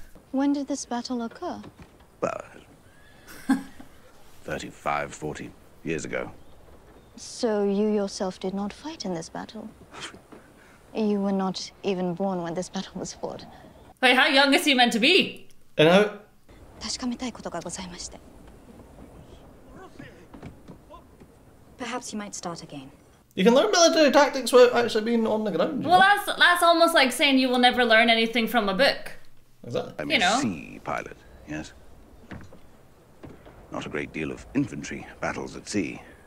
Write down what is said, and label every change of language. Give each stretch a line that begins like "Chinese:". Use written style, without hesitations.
English: When did this battle occur? Well, 35, 40 years ago. So you yourself did not fight in this battle? You were not even born when this battle was fought. Wait, how young is he meant to be? And how?
Japanese: 確かめたいことがございまして.
English: Perhaps you might start again. You can learn military tactics without actually being on the ground. Well, that's almost like saying you will never learn anything from a book. Exactly. I'm a sea pilot, yes. Not a great deal of infantry battles at sea.